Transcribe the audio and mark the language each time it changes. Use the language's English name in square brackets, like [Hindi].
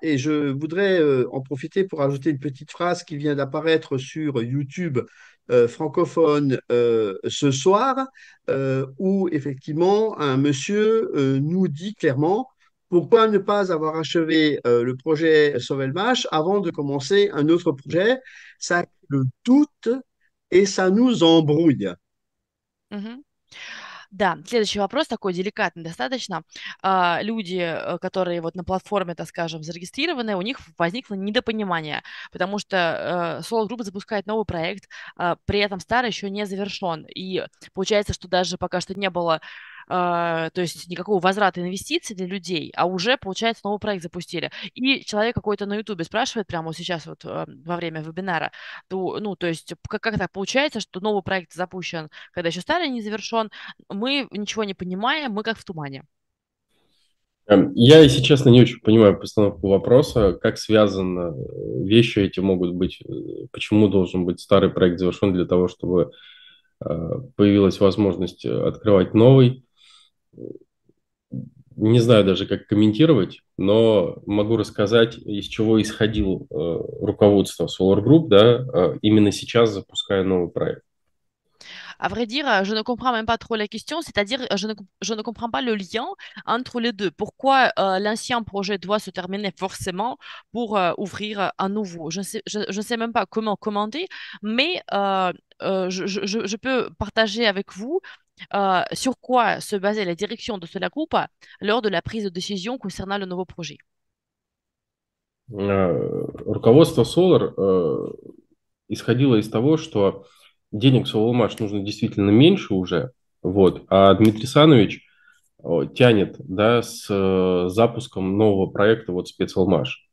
[French] Et je voudrais en profiter pour ajouter une petite phrase qui vient d'apparaître sur YouTube francophone ce soir, où effectivement un monsieur nous dit clairement pourquoi ne pas avoir achevé le projet Sauvelmash avant de commencer un autre projet? Ça crée le doute et ça nous embrouille. [Russian] Да, следующий вопрос такой деликатный достаточно. Люди, которые вот на платформе, так скажем, зарегистрированы, у них возникло недопонимание, потому что Soul Group запускает новый проект, при этом старый еще не завершен. И получается, что даже пока что не было, то есть никакого возврата инвестиций для людей, а уже, получается, новый проект запустили. И человек какой-то на Ютубе спрашивает прямо вот сейчас вот во время вебинара, то, ну, то есть как так получается, что новый проект запущен, когда еще старый не завершен, мы ничего не понимаем, мы как в тумане. Я, если честно, не очень понимаю постановку вопроса, как связаны вещи эти могут быть, почему должен быть старый проект завершен для того, чтобы появилась возможность открывать новый. Не знаю даже, как комментировать, но могу рассказать, из чего исходило руководство Solar Group, да, именно сейчас запуская новый проект. [French] À vrai dire, je ne comprends même pas trop la question, c'est-à-dire je ne comprends pas le lien entre les deux. Pourquoi l'ancien projet doit se terminer forcément pour ouvrir un nouveau? Je ne sais même pas comment commander, mais je peux partager avec vous sur quoi se basait la direction de Solar Group lors de la prise de décision concernant le nouveau projet. [Russian] Руководство Solar исходило из того, что денег в Solmash нужно действительно меньше уже, вот, а Дмитрий Санович тянет, да, с запуском нового проекта, вот, SpecSolmash.